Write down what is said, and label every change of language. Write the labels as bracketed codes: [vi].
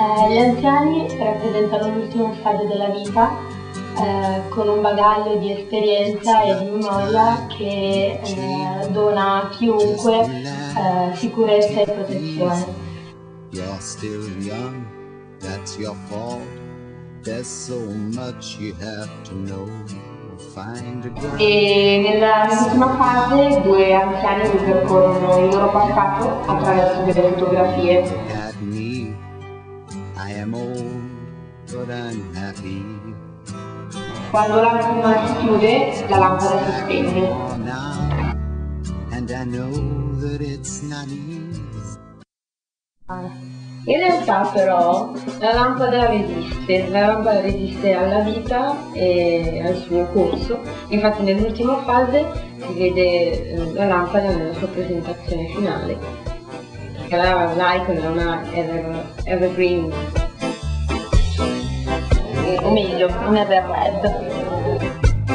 [it] Gli anziani rappresentano l'ultimo stadio della vita, con un bagaglio di esperienza e di memoria che dona a chiunque sicurezza e protezione. [en] You're still young, that's your fault. There's so much you have to know. Find a girl. [it] E nell'ultima fase due anziani ripercorrono il loro passato attraverso delle fotografie. [en] Look at me, I am old, but I'm happy. [it] Quando la lampada si chiude, la lampada si spegne. [en] Now, and I know that it's not easy. [it] In realtà però la lampada resiste alla vita e al suo corso, infatti nell'ultima fase si vede la lampada nella sua presentazione finale, perché l'icon è una evergreen, o meglio, un everred.